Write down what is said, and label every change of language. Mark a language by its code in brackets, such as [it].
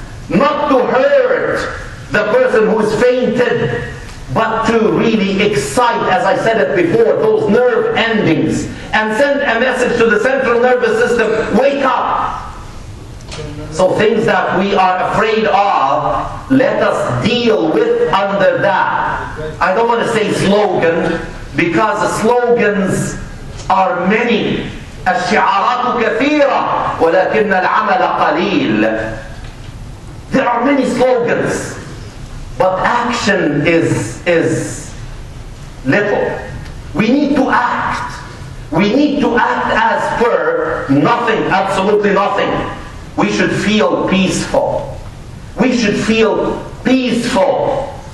[en] Not to hurt the person who's fainted, but to really excite, as I said it before, those nerve endings and send a message to the central nervous system, wake up. So things that we are afraid of, let us deal with under that. I don't want to say slogan, because slogans are many. [ar] الشعارات كثيرة ولكن العمل قليل. [en] There are many slogans, but action is little. We need to act. We need to act as per nothing, absolutely nothing. We should feel peaceful. We should feel peaceful.